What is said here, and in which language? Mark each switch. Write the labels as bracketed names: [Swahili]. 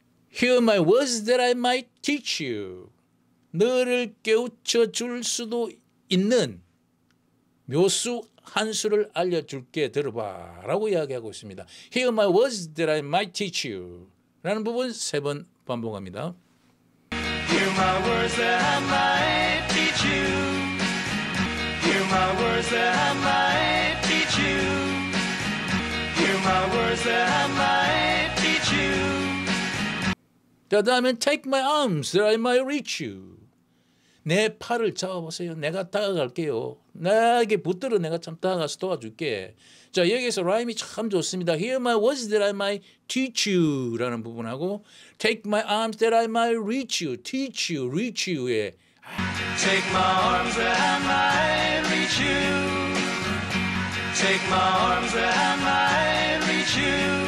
[English] Hear my words that I might teach you. [Korean] 너를 깨우쳐 줄 수도 있는 묘수 한 수를 알려줄게 들어봐 라고 이야기하고 있습니다. [English] Hear my words that I might teach you. [Korean] 라는 부분 세 번 반복합니다. [English] Hear my words that I might teach you. Hear my words that I might teach you. Hear my words that I might teach you. [Korean] 자, 다음에 [English] take my arms that I might reach you. [Korean] 내 팔을 잡아보세요. 내가 다가갈게요. 나에게 붙들어 내가 참 다가가서 도와줄게. 자, 여기에서 라임이 참 좋습니다. [English] Hear my words that I might teach you [Korean] 라는 부분하고 [English] take my arms that I might reach you. Teach you, reach you. 예. Take my arms that I might reach you. Take my arms that I might reach you.